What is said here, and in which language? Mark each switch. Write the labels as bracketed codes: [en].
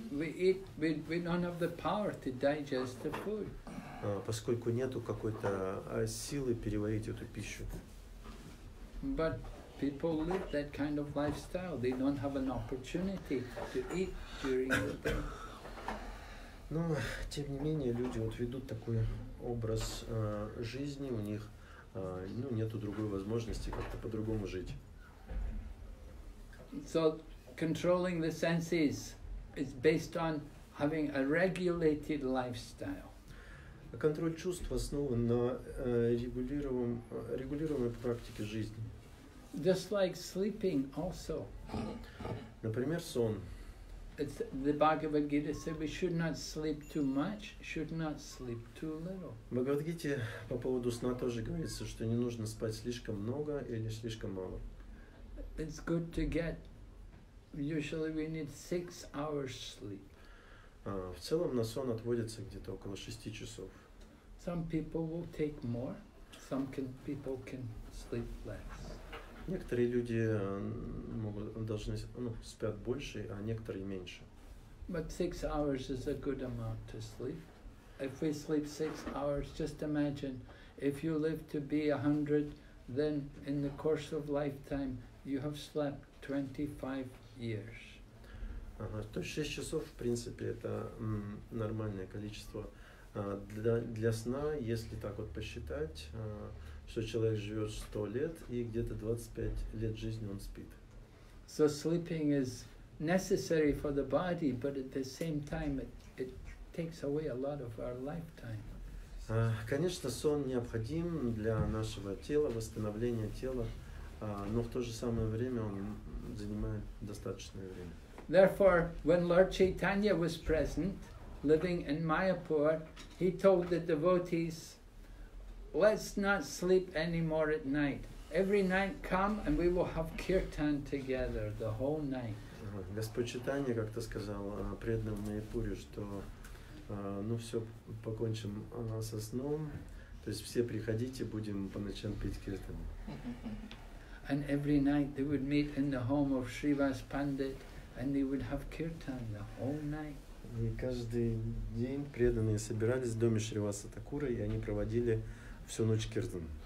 [en] We don't have the power to digest the food. [ru] Поскольку нету какой-то силы переварить эту пищу. [en] But people live that kind of lifestyle. They don't have an opportunity to eat during the day. [ru] Но, тем не менее, люди вот ведут такой образ жизни, у них ну, нету другой возможности как-то по-другому жить. [en] So, controlling the senses is based on having a regulated lifestyle. [ru] Контроль чувств основан на регулируемой практике жизни. [en] Just like sleeping also. [ru] Например, сон. [en] It's the Bhagavad Gita said we should not sleep too much, should not sleep too little. [ru] Bhagavad Gita по поводу сна тоже говорится, что не нужно спать слишком много или слишком мало. [en] It's good to get. Usually we need 6 hours sleep. [ru] В целом на сон отводится где-то около 6 часов. [en] Some people will take more. Some people can sleep less. [ru] Некоторые люди могут, должны, ну, спят больше, а некоторые меньше. [en] But 6 hours is a good amount to sleep. If we sleep 6 hours, just imagine, if you live to be 100, then in the course of lifetime, you have slept 25 years. [ru] То есть 6 часов, в принципе, это нормальное количество для сна, если так вот посчитать. Что человек живет 100 лет, и где-то 25 лет жизни он спит. [en] So sleeping is necessary for the body, but at the same time it takes away a lot of our lifetime. [ru] Конечно, сон необходим для нашего тела, восстановления тела, но в то же самое время он занимает достаточное время. [en] Therefore, when Lord Chaitanya was present, living in Mayapur, he told the devotees, let's not sleep anymore at night. Every night come and we will have kirtan together the whole night. [ru] Господь Читания как-то сказал преданным в Майяпуре, что ну все, покончим со сном. То есть все приходите, будем по ночам петь киртан. [en] And every night they would meet in the home of Shrivas Pandit and they would have kirtan the whole night. [ru] И каждый день преданные собирались в доме Шриваса Такура и они проводили всю ночь киртан.